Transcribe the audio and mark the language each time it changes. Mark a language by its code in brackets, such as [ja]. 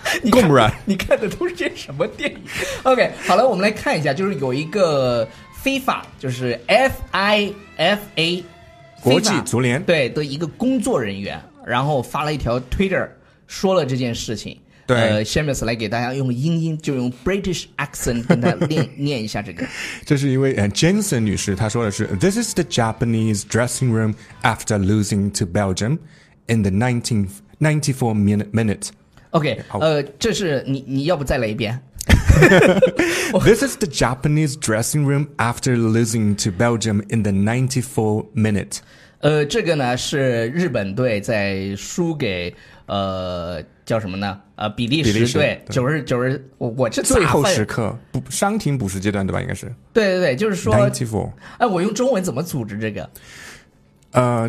[zh] Gombra， 你看的都是些什么电影。OK， 好了，我们来看一下，就是有一个 FIFA， 就是 FIFA 国际足联对的一个工作人员，然后发了一条 Twitter 说了这件事情。对， Seamus 来给大家用英音就用 British accent 跟他念一下这个。这是一位 Jensen 女士，她说的是 [en] This is the Japanese dressing room after losing to Belgium in the 94th minute. OK， 这是你要不再来一遍。 This is the Japanese dressing room after losing to Belgium in the 94th minute. [zh] 这个呢是日本队在输给叫什么呢？比利时队90，我这最后时刻不伤停补时阶段对吧？应该是。对对对，就是说。 94。我用中文怎么组织这个？